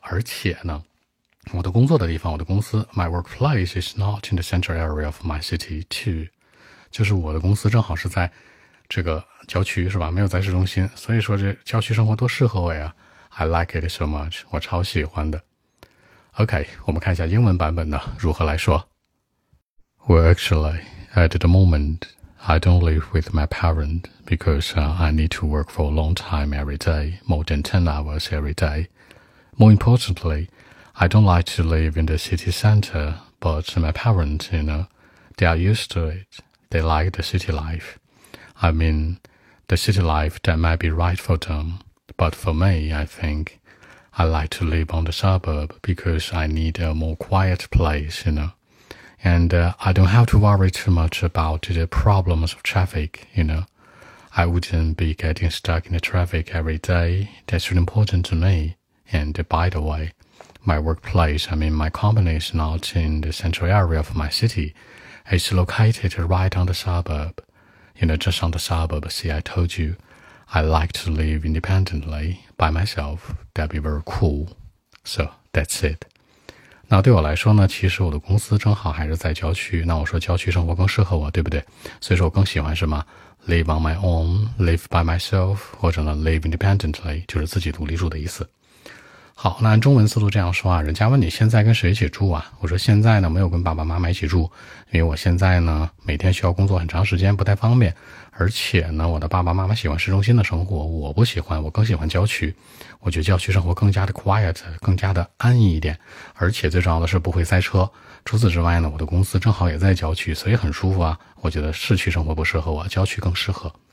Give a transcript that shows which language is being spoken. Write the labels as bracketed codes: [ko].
[zh] 而且呢我的工作的地方，我的公司 [en] My workplace is not in the central area of my city too, [zh] 就是我的公司正好是在这个郊区是吧，没有在市中心，所以说这郊区生活多适合我呀。 [en] I like it so much, [zh] 我超喜欢的。 OK, 我们看一下英文版本的如何来说。 [en] Well, actually, at the moment, I don't live with my parent because I need to work for a long time every day, more than 10 hours every day. More importantly,I don't like to live in the city center, but my parents, you know, they are used to it. They like the city life. I mean, the city life that might be right for them. But for me, I think, I like to live on the suburb because I need a more quiet place, you know. And I don't have to worry too much about the problems of traffic, you know. I wouldn't be getting stuck in the traffic every day. That's really important to me. And by the way,My workplace, I mean my company is not in the central area of my city. It's located right on the suburb. You know, just on the suburb, see, I told you, I like to live independently by myself. That'd be very cool. So, that's it. [zh] 那对我来说呢，其实我的公司正好还是在郊区。那我说郊区生活更适合我，对不对？所以说我更喜欢什么 ? [en] Live on my own, live by myself, [zh] 或者呢 , [en] live independently, [zh] 就是自己独立住的意思。好，那按中文思路这样说啊，人家问你现在跟谁一起住啊，我说现在呢没有跟爸爸妈妈一起住，因为我现在呢每天需要工作很长时间，不太方便，而且呢我的爸爸妈妈喜欢市中心的生活，我不喜欢，我更喜欢郊区，我觉得郊区生活更加的 quiet, 更加的安逸一点，而且最重要的是不会塞车，除此之外呢我的公司正好也在郊区，所以很舒服啊，我觉得市区生活不适合我，郊区更适合。